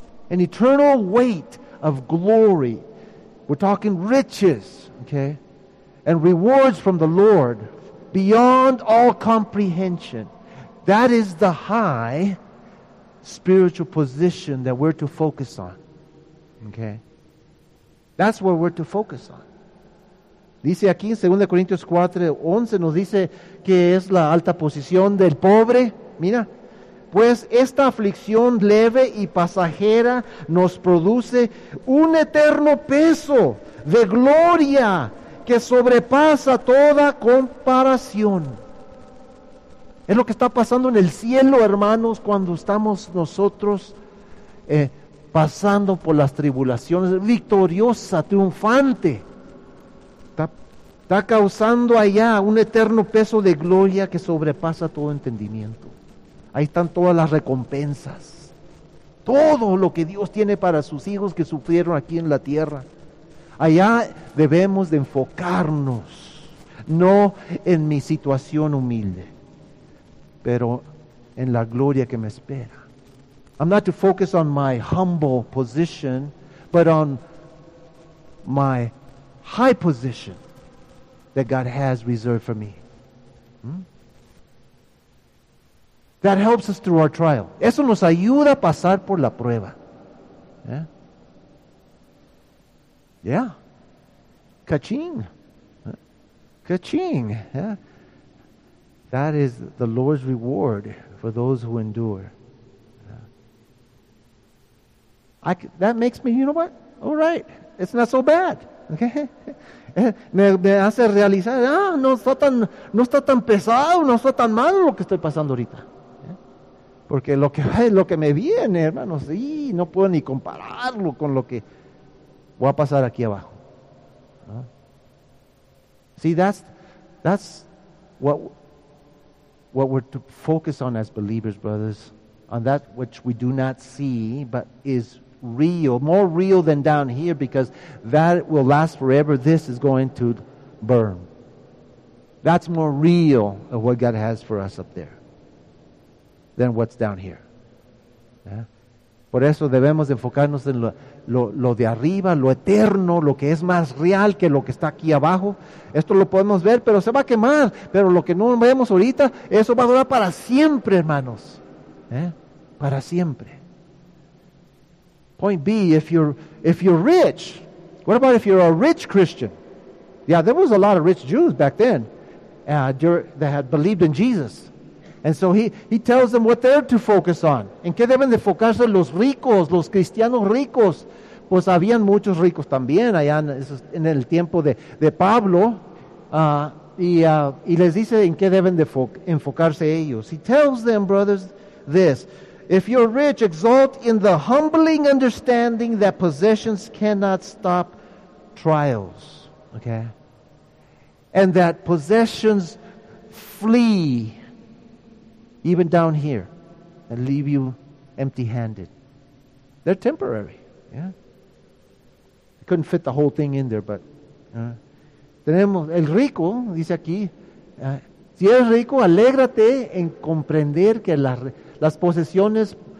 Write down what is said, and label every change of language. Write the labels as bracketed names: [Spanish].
[English] An eternal weight of glory. We're talking riches, okay? And rewards from the Lord beyond all comprehension. That is the high spiritual position that we're to focus on, okay? That's where we're to focus on. [Spanish] Dice aquí en 2 Corintios 4:11, nos dice que es la alta posición del pobre. Mira, pues esta aflicción leve y pasajera nos produce un eterno peso de gloria que sobrepasa toda comparación. Es lo que está pasando en el cielo, hermanos, cuando estamos nosotros pasando por las tribulaciones, victoriosa, triunfante. Está causando allá un eterno peso de gloria que sobrepasa todo entendimiento. Ahí están todas las recompensas. Todo lo que Dios tiene para sus hijos que sufrieron aquí en la tierra. Allá debemos de enfocarnos, no en mi situación humilde, pero en la gloria que me espera. [English] I'm not to focus on my humble position, but on my high position that God has reserved for me. That helps us through our trial. [Spanish] Eso nos ayuda a pasar por la prueba. [English] Yeah. Ka-ching. Ka-ching. Yeah. That is the Lord's reward for those who endure. That makes me, you know what? All right. It's not so bad. Okay. [Spanish] Me hace realizar, no está tan pesado, no está tan malo lo que estoy pasando ahorita. Porque lo que me viene, hermanos, y no puedo ni compararlo con lo que voy a pasar aquí abajo. [English] See, that's what we're to focus on as believers, brothers, on that which we do not see, but is real, more real than down here, because that will last forever. This is going to burn. That's more real of what God has for us up there than what's down here. Yeah. [Spanish] Por eso debemos enfocarnos en lo de arriba, lo eterno, lo que es más real que lo que está aquí abajo. Esto lo podemos ver, pero se va a quemar. Pero lo que no vemos ahorita, eso va a durar para siempre, hermanos. Para siempre. [English] Point B, if you're rich, what about if you're a rich Christian? Yeah, there was a lot of rich Jews back then that had believed in Jesus. And so he tells them what they're to focus on. [Spanish] ¿En qué deben de enfocarse los ricos, los cristianos ricos? Pues habían muchos ricos también allá en el tiempo de Pablo. Y les dice en qué deben de enfocarse ellos. [English] He tells them, brothers, this. If you're rich, exalt in the humbling understanding that possessions cannot stop trials. Okay? And that possessions flee even down here and leave you empty-handed. They're temporary. Yeah? I couldn't fit the whole thing in there, but... [Spanish] Tenemos el rico, dice aquí. Si eres rico, alégrate en comprender que las posesiones